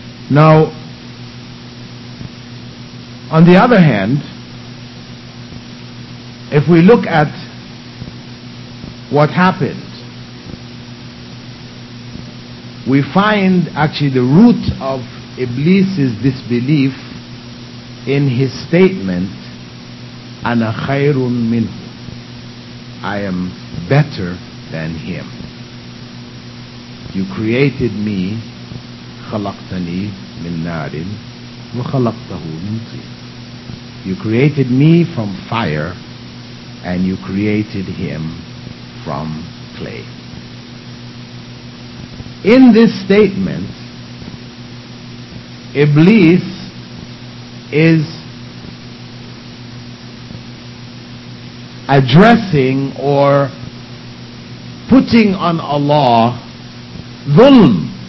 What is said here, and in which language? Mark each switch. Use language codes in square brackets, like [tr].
[en] Now, on the other hand, if we look at what happened, we find actually the root of Iblis's disbelief in his statement, [ar] أَنَا خَيْرٌ مِنْهُ. [en] I am better than him. You created me, [ar] خَلَقْتَنِي مِن نَارٍ وَخَلَقْتَهُ مِن طِينٍ. [en] You created me from fire and you created him from clay. In this statement, Iblis is addressing or putting on Allah dhulm.